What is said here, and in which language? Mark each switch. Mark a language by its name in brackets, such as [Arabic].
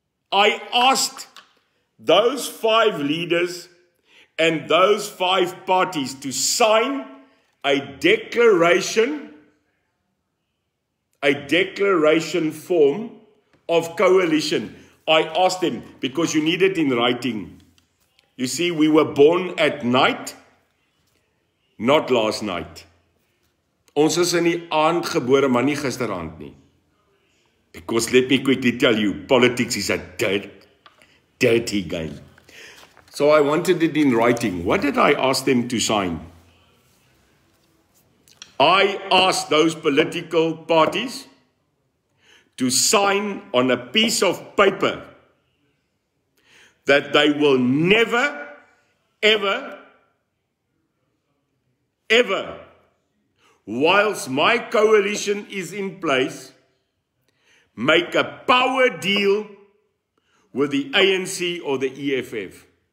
[English] I asked those 5 leaders and those 5 parties to sign a declaration form of coalition. I asked them, because you need it in writing. You see, we were born at night, not last night. [Afrikaans] Ons is in die aand gebore, maar nie gisteraand nie. [English] Because let me quickly tell you, politics is a dirty game. So I wanted it in writing. What did I ask them to sign? I asked those political parties to sign on a piece of paper that they will never, ever, ever, whilst my coalition is in place, make a power deal with the ANC or the EFF.